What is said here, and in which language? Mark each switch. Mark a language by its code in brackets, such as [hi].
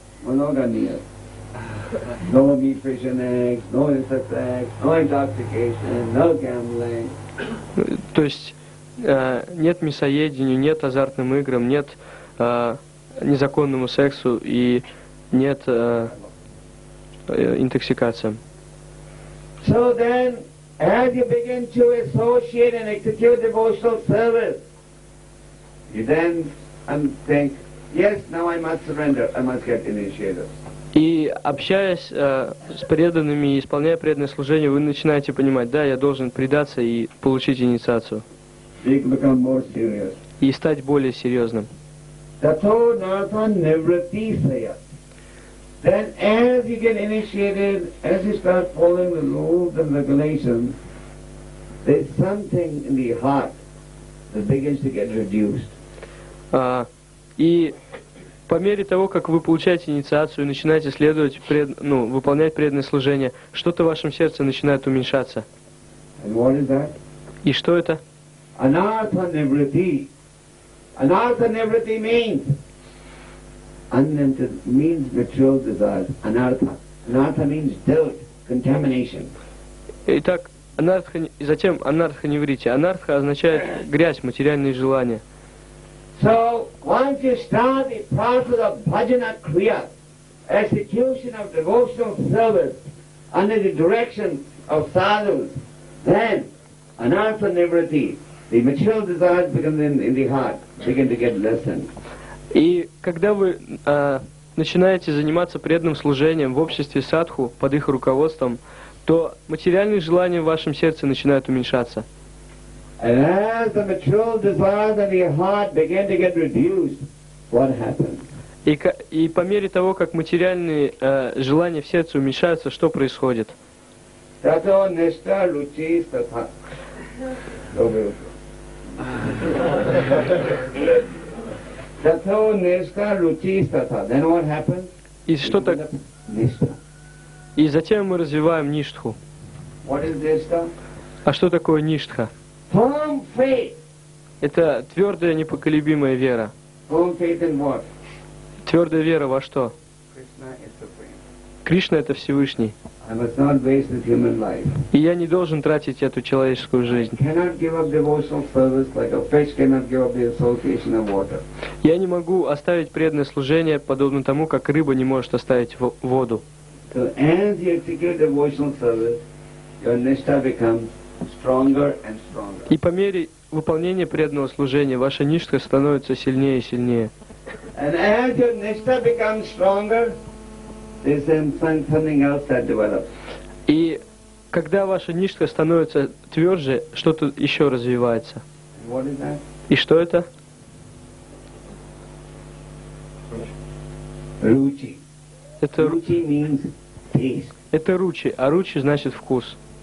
[ru] Много нет. [en] No meat, fish and eggs, no intersex, no intoxication, no gambling. [ru] То есть нет мясоедению, нет азартным играм, нет незаконному сексу и нет интоксикациям. [en] So then, as you begin to associate and execute devotional service, you then think, yes, now I must surrender, I must get initiated. [ru] И общаясь с преданными и исполняя преданное служение, вы начинаете понимать, да, я должен предаться и получить инициацию. И стать более серьезным. [sa] Tato nartha nivritti seya. [en] Then as you get initiated, as you start following the rules and regulations, There's something in the heart that begins to get reduced. [ru] И по мере того, как вы получаете инициацию и начинаете следовать, выполнять преданное служение, что-то в вашем сердце начинает уменьшаться. [en] And what is that? [ru] И что это? [en] Anartha nivritti. Anartha nivritti means unlimited, means material desires. Anartha. Anartha means dirt, contamination. [ru] Итак, анартха, и затем анартха нивритти. Анартха означает грязь, материальные желания. [en] So, once you start the process of bhajana kriya, execution of devotional service under the direction of sadhus, then anartha nivritti, the material desires become in the heart, begin to get lessened. [ru] И когда вы начинаете заниматься преданным служением в обществе садху под их руководством, то материальные желания в вашем сердце начинают уменьшаться. [en] And as the material desires of your heart begin to get reduced, what happens? [ru] И по мере того, как материальные желания в сердце уменьшаются, что происходит? [sa] Тато нешта лучи стата. Тато нешта лучи стата. [en] Then what happens? [ru] И что так? [sa] Нешта. [ru] И затем мы развиваем ништху. [en] What is nishtha? [ru] А что такое ништха? [en] Firm faith. [ru] Это твердая непоколебимая вера. [en] Firm faith in what? [ru] Твердая вера во что? [en] Krishna is supreme. [ru] Кришна это Всевышний. [en] I must not waste this human life. [ru] И я не должен тратить эту человеческую жизнь. [en] I cannot give up devotional service like a fish cannot give up the association of water. [ru] Я не могу оставить преданное служение подобно тому, как рыба не может оставить воду. [en] So as you execute devotional service, your nishtha becomes stronger and stronger. [ru] И по мере выполнения преданного служения ваша нишка становится сильнее и сильнее. [en] And as your nishtha becomes stronger, there's something else that develops. [ru] И когда ваша нишка становится тверже, что-то еще развивается. [en] And what is that? [ru] И что это? Ручи. Это [en] ручи means taste. [ru] Это ручи, а ручи значит вкус.